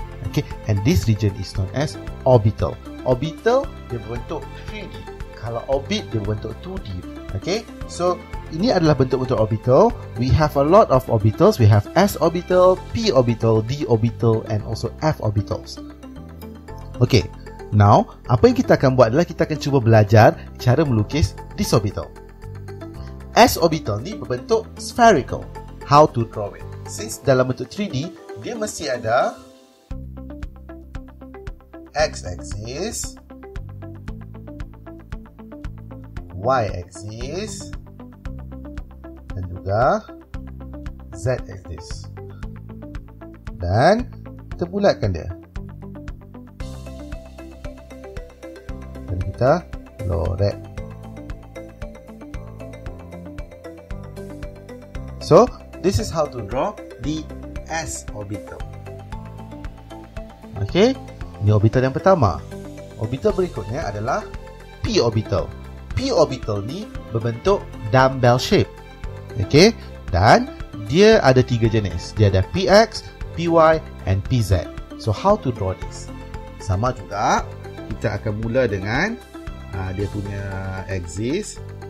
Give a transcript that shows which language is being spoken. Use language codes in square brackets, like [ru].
[en] Okay, and this region is known as orbital. [ms] Orbital, dia berbentuk 3D. Kalau orbit, dia berbentuk 2D. [en] Okay, so [ms] ini adalah bentuk-bentuk orbital. [en] We have a lot of orbitals. We have S orbital, P orbital, D orbital and also F orbitals. [ms] Okay, now apa yang kita akan buat adalah kita akan cuba belajar cara melukis [en] this orbital. S orbital ni berbentuk spherical. How to draw it? [ms] Since dalam bentuk 3D, dia mesti ada X-axis, Y-axis dan juga Z axis. Dan kita bulatkan dia. Dan kita lorek. [en] So, this is how to draw the S orbital. [ms] Okay, ni orbital yang pertama. Orbital berikutnya adalah P orbital. P orbital ni berbentuk dumbbell shape. Okay, dan dia ada tiga jenis. Dia ada PX, PY and PZ. [en] So how to draw this? [ms] Sama juga, kita akan mula dengan dia punya axis.